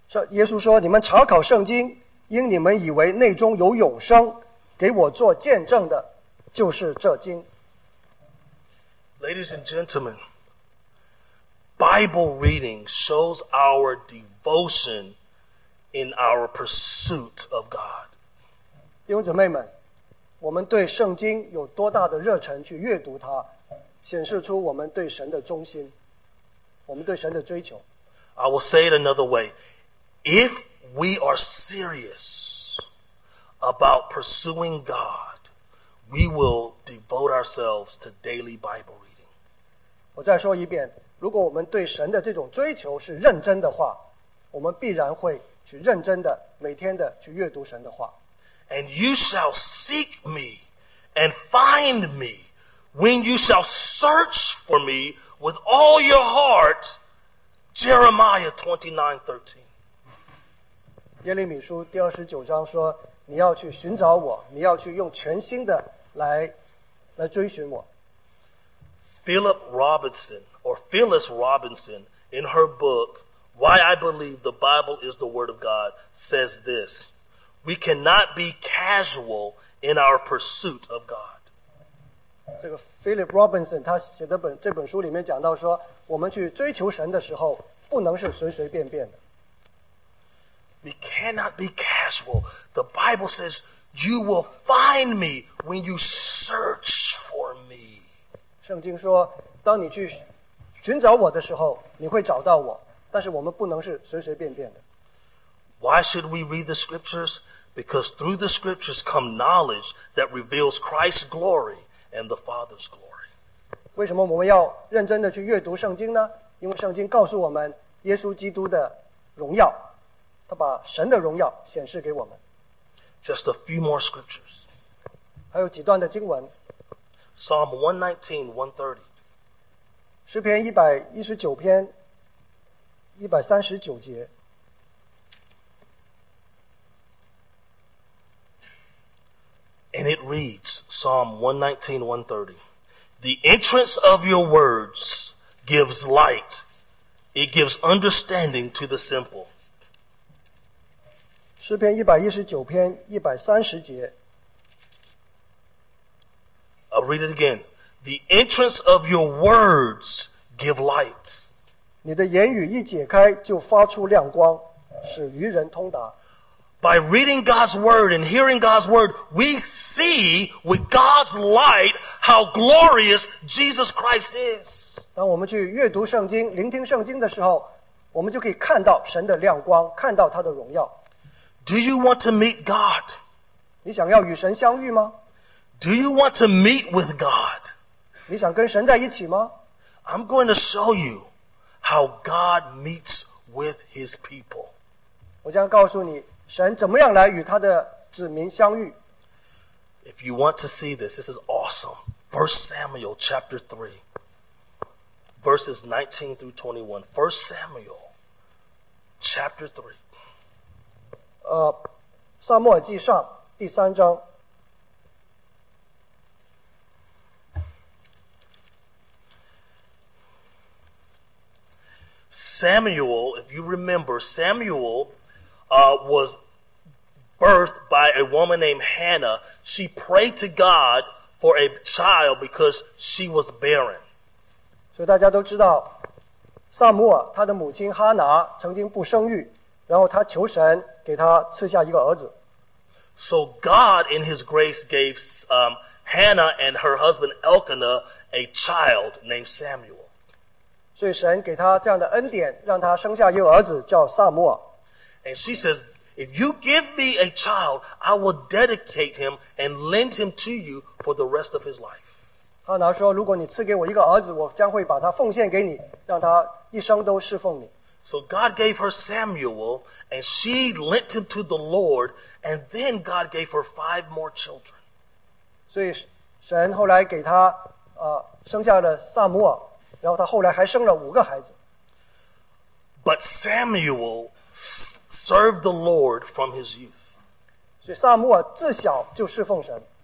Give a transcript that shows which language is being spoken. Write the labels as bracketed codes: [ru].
[zh] 耶稣说，你们查考圣经，因你们以为内中有永生，给我做见证的就是这经。 [en] Ladies and gentlemen, Bible reading shows our devotion in our pursuit of God. [zh] 弟兄姊妹们，我们对圣经有多大的热忱去阅读它，显示出我们对神的忠心，我们对神的追求。 [en] I will say it another way. If we are serious about pursuing God, we will devote ourselves to daily Bible reading. [zh] 我再说一遍，如果我们对神的这种追求是认真的话，我们必然会去认真的每天的去阅读神的话。 [en] And you shall seek me and find me when you shall search for me with all your heart, Jeremiah 29:13. [zh] 耶利米书第二十九章说，你要去寻找我，你要去用全心的 来追寻我。 [en] Philip Robinson, or Phyllis Robinson, in her book, Why I Believe the Bible is the Word of God, says this, We cannot be casual in our pursuit of God. [zh] 这个 Philip Robinson, 他写的这本书里面讲到说，我们去追求神的时候，不能是随随便便的。 [en] We cannot be casual. The Bible says, you will find me when you search for me. [zh] 圣经说，当你去寻找我的时候，你会找到我，但是我们不能是随随便便的。 [en] Why should we read the scriptures? Because through the scriptures come knowledge that reveals Christ's glory and the Father's glory. [zh] 为什么我们要认真的去阅读圣经呢？因为圣经告诉我们耶稣基督的荣耀。他把神的荣耀显示给我们。 [en] Just a few more scriptures. [zh] 还有几段的经文。 [en] Psalm 119:130. [zh] 诗篇119篇139节。 [en] And it reads, Psalm 119:130. The entrance of your words gives light. It gives understanding to the simple. [zh] 诗篇119篇130节。 [en] I'll read it again. The entrance of your words give light. [zh] 你的言语一解开就发出亮光，使愚人通达。 [en] By reading God's word and hearing God's word, we see with God's light how glorious Jesus Christ is. [zh] 当我们去阅读圣经，聆听圣经的时候，我们就可以看到神的亮光，看到他的荣耀。 [en] Do you want to meet God? [zh] 你想要与神相遇吗? [en] Do you want to meet with God? [zh] 你想跟神在一起吗? [en] I'm going to show you how God meets with His people. [zh] 我将告诉你神怎么样来与他的子民相遇。 [en] If you want to see this, this is awesome. 1 Samuel chapter 3, verses 19 through 21. 1 Samuel chapter 3. [zh] 撒母耳记上第三章。 [en] Samuel, if you remember, Samuel was birthed by a woman named Hannah. She prayed to God for a child because she was barren. [zh] 所以大家都知道, 撒母耳他的母亲哈拿曾经不生育, 然后他求神给他赐下一个儿子。 [en] So God, in His grace, gave Hannah and her husband Elkanah a child named Samuel. [zh] 所以神给他这样的恩典, 让他生下一个儿子, 叫撒母耳。 [en] And she says, if you give me a child, I will dedicate him and lend him to you for the rest of his life. [zh] 哈拿说, 如果你赐给我一个儿子, 我将会把他奉献给你, 让他一生都侍奉你。 [en] So God gave her Samuel, and she lent him to the Lord, and then God gave her five more children. [zh] 所以神后来给他, 生下了撒母耳, 然后他后来还生了五个孩子。 [en] But Samuel served the Lord from his youth. [zh] 所以撒母耳自小就侍奉神。